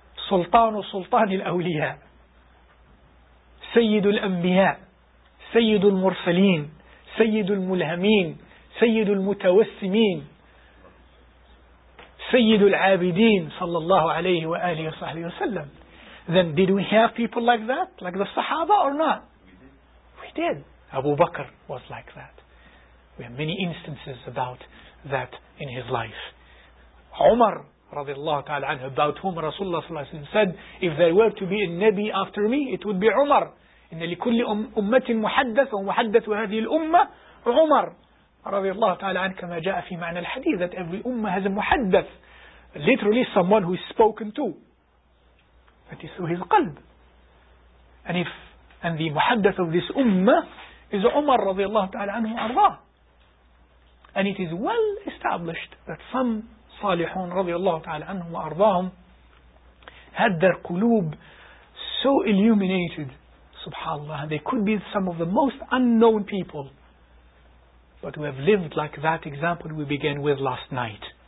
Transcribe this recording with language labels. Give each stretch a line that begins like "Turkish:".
Arabic: سلطان سلطان الأولياء سيد الأنبياء سيد المرسلين سيد الملهمين سيد المتوسمين سيد العابدين صلى الله عليه وآله وصحبه وسلم.
English: Then did we have people like that? Like the Sahaba or not? We did. Abu Bakr was like that. We have many instances about that in his life. Umar رضي الله تعالى عنه, about whom Rasulullah صلى الله عليه وسلم said, if there were to be a Nabi after me, it would be Umar.
Arabic: إِنَّ لِكُلِّ أُمَّةٍ مُحَدَّثٌ وَمُحَدَّثُ هَذِهِ الْأُمَّةِ عُمَر رضي الله تعالى عنه, كما جاء في معنى الحديث,
English: that every ummah has a muhaddath, literally someone who is spoken to. That is through his qalb. And the muhaddath of this ummah is Umar رضي الله تعالى عنه وأرضاه. And it is well established that some
Arabic: صالحون رضي الله تعالى عنهم وأرضاهم
English: had their qulub so illuminated, subhanAllah, they could be some of the most unknown people, but who have lived like that example we began with last night.